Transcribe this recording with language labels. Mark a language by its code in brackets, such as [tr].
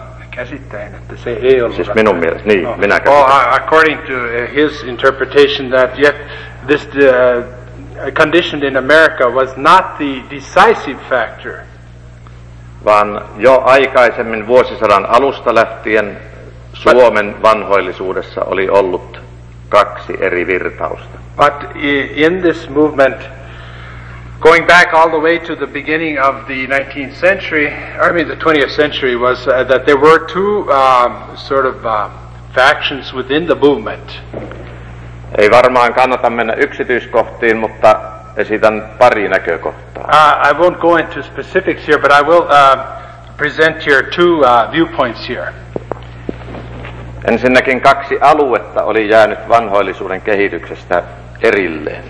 [fi] Käsittäen, että se ei ollut. Siis minun mielestä, niin, no. Minä käsittäen. [en] According to his interpretation that yet this conditioned in America was not the decisive factor. [fi] Vaan jo aikaisemmin vuosisadan alusta lähtien Suomen vanhoillisuudessa oli ollut kaksi eri virtausta. [en] But in this movement, going back all the way to the beginning of the 19th century, or I mean the 20th century, was that there were two sort of factions within the movement. [fi] Ei varmaan kannata mennä yksityiskohtiin, mutta esitän pari näkökohtaa. [en] I won't go into specifics here, but I will present here two viewpoints here. [fi] Ensinnäkin kaksi aluetta oli jäänyt vanhoillisuuden kehityksestä erilleen.